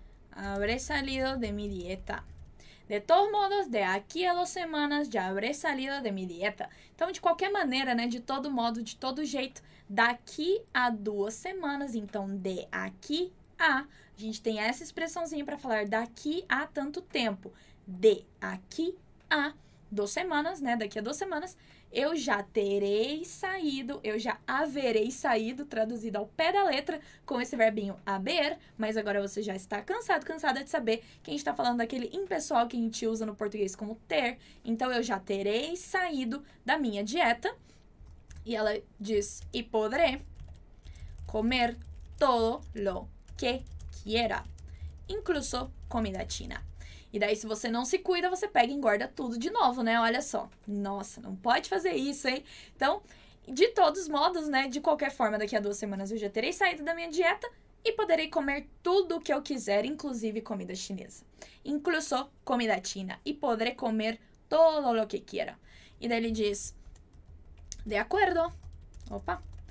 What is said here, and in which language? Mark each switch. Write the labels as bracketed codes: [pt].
[es] Habré salido de mi dieta. De todos modos, de aquí a 2 semanas, ya habré salido de mi dieta. [pt] Então, de qualquer maneira, né? De todo modo, de todo jeito, daqui a 2 semanas, então, de aqui a gente tem essa expressãozinha para falar daqui a tanto tempo. De aqui a 2 semanas, né? Daqui a 2 semanas, eu já terei saído, eu já haverei saído, traduzido ao pé da letra, com esse verbinho haber, mas agora você já está cansado, cansada de saber que a gente está falando daquele impessoal que a gente usa no português como ter. Então, eu já terei saído da minha dieta. [es] Y ella dice, y podré comer todo lo que quiera, incluso comida china. [pt] E daí, se você não se cuida, você pega e engorda tudo de novo, né? Olha só. Nossa, não pode fazer isso, hein? Então, de todos modos, né? De qualquer forma, daqui a 2 semanas eu já terei saído da minha dieta e poderei comer tudo o que eu quiser, inclusive comida chinesa. [es] Incluso comida china. [pt] E poderei comer [es] todo lo que quiera. [pt] E daí ele diz, [es] de acuerdo. [pt] Opa.